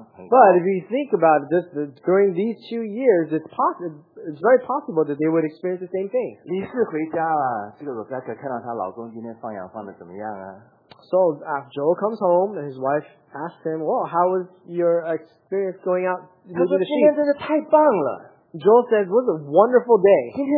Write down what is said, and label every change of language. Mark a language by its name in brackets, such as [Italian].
[English] But if you think about this, during these 2 years, it's very possible that they would experience the same thing. [Chinese] 李四回家了，这个罗伯特看到他老公今天放羊放的怎么样啊？ [English] So after Joel comes home, and his wife asked him, "Well, how was your experience going out?" [Chinese] 他说今天真是太棒了。 [English] Joel says, "It was a wonderful day.